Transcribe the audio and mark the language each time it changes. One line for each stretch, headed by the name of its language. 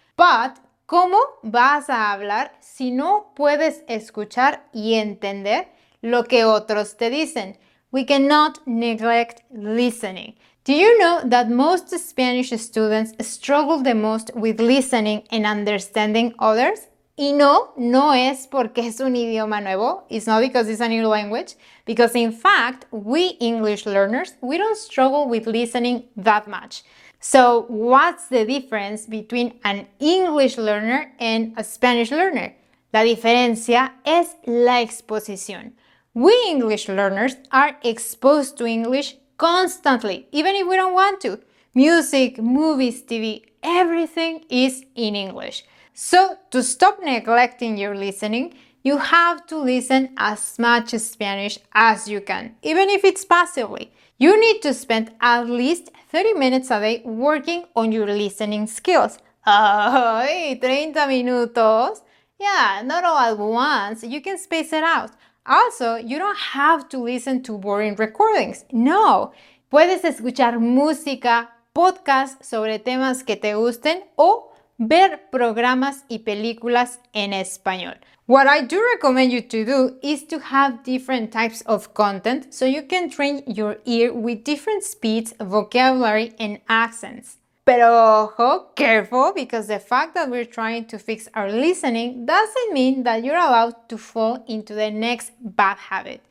Spanish: But, ¿cómo vas a hablar si no puedes escuchar y entender lo que otros te dicen?
English: We cannot neglect listening. Do you know that most Spanish students struggle the most with listening and understanding others?
Spanish: Y no es porque es un idioma nuevo.
English: It's not because it's a new language. Because in fact, we English learners, we don't struggle with listening that much. So what's the difference between an English learner and a Spanish learner?
Spanish: La diferencia es la exposición.
English: We English learners are exposed to English constantly, even if we don't want to. Music, movies, TV, everything is in English. So, to stop neglecting your listening, you have to listen as much Spanish as you can, even if it's passively. You need to spend at least 30 minutes a day working on your listening skills.
Spanish: ¡Ay, 30 minutos!
English: Yeah, not all at once, you can space it out. Also, you don't have to listen to boring recordings.
Spanish: No, puedes escuchar música, podcasts sobre temas que te gusten o ver programas y películas en español.
English: What I do recommend you to do is to have different types of content so you can train your ear with different speeds, vocabulary, and accents.
Spanish: Pero ojo,
English: careful, because the fact that we're trying to fix our listening doesn't mean that you're allowed to fall into the next bad habit.